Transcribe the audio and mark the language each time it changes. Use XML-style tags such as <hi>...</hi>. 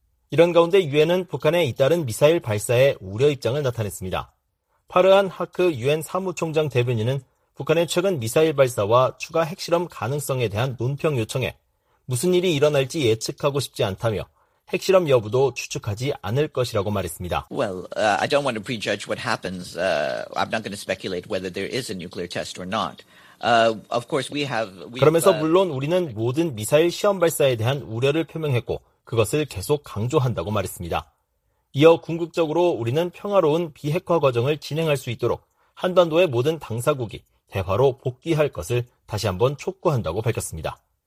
<ko>이런 가운데 유엔은 북한의 잇따른 미사일 발사에 우려 입장을 나타냈습니다. 파르한 하크 유엔 사무총장 대변인은 북한의 최근 미사일 발사와 추가 핵실험 가능성에 대한 논평 요청에 무슨 일이 일어날지 예측하고 싶지 않다며 핵실험 여부도 추측하지 않을 것이라고 말했습니다.</ko> <en>Well, I don't want to prejudge what happens. I'm not going to speculate whether there is a nuclear test or not. Of course, we have.</en> <ko>그러면서 물론 우리는 모든 미사일 시험 발사에 대한 우려를 표명했고 그것을 계속 강조한다고 말했습니다. 이어 궁극적으로 우리는 평화로운 비핵화 과정을 진행할 수 있도록 한반도의 모든 당사국이 대화로 복귀할 것을 다시 한번 촉구한다고 밝혔습니다.</ko>